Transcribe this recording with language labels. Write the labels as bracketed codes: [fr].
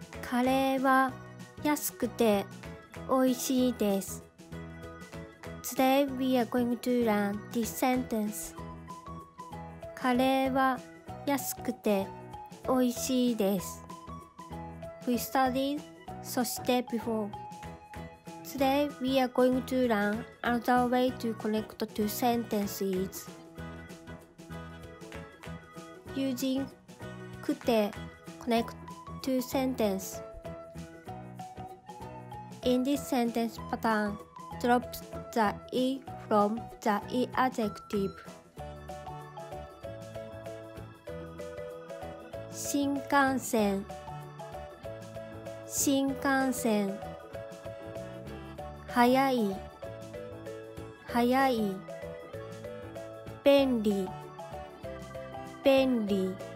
[ja] カレーは安くて美味しいです。 [en] Today we are going to learn this sentence. [ja] カレーは安くて美味しいです。 [en] We studied そして before. Today we are going to learn another way to connect two sentences. Using くて connect two sentences. In this sentence pattern, drop the e from the e adjective. [ja] 新幹線、新幹線、早い、早い、便利、便利。